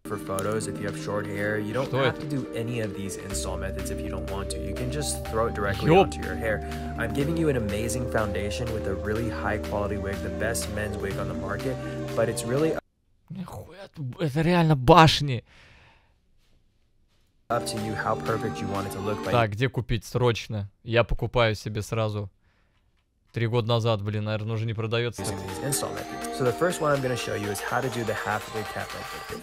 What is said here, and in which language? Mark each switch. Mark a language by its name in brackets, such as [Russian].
[English] For photos, if you have short hair, you don't have to do any of these install methods if you don't want to. You can just throw it directly onto your hair. I'm giving you an amazing foundation with a really high quality wig, the best men's wig on the market, but it's really... [Russian] Нихуя, это реально башни. [English] Up to you how perfect you want it to look by... [Russian] Так, где купить? Срочно. Я покупаю себе сразу. 3 года назад, блин, наверное, уже не продается. [English] So the first one I'm going to show you is how to do the half wig cap method.